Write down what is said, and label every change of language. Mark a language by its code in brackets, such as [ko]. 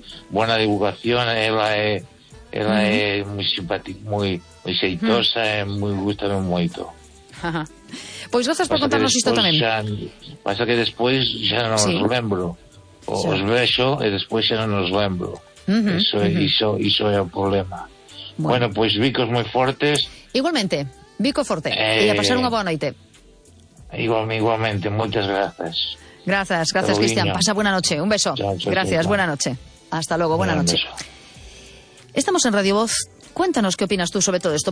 [es] Buena divulgación, [gl] ela é moi simpática, moi xeitosa, e moi gusta moito. Pois gozas por contarnos isto tamén. Pasa que despois xa non os lembro. Os vexo e despois xa non os lembro. Iso é o problema. Bueno, pois bicos moi fortes. Igualmente, bico forte. E a pasar unha boa noite. Igualmente, moitas grazas. [es] Grazas, Cristian. Pasa buena noche. Un beso. Gracias, buena noche. Hasta luego, buena noche. Estamos en Radio Voz. Cuéntanos qué opinas tú sobre todo esto.